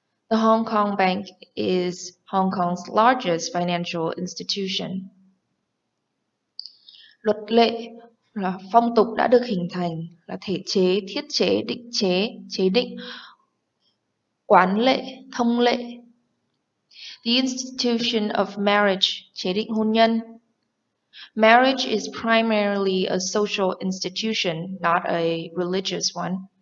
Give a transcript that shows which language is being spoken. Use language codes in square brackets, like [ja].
[en] The Hong Kong Bank is Hong Kong's largest financial institution. [vi] Luật lệ là phong tục đã được hình thành, là thể chế, thiết chế, định chế, chế định, quán lệ, thông lệ. [en] The institution of marriage, [vi] chế định hôn nhân. [en] Marriage is primarily a social institution, not a religious one.